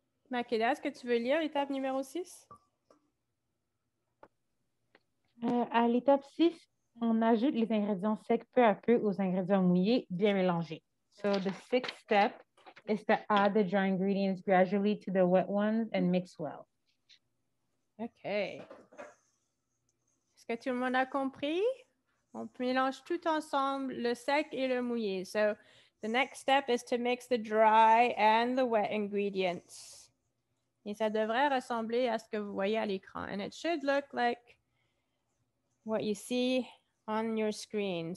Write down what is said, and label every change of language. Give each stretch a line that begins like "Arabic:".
French: Makeda, est-ce que tu veux lire l'étape numéro 6? À l'étape 6, on ajoute les ingrédients secs peu à peu aux ingrédients mouillés, bien mélangés.
English: So, the sixth step is to add the dry ingredients gradually to the wet ones and mix well.
French: OK. Est-ce que tout le monde a compris? On mélange tout ensemble le sec et le mouillé.
English: So, the next step is to mix the dry and the wet ingredients.
French: Et ça devrait ressembler à ce que vous voyez à l'écran.
English: And it should look like what you see on your screen.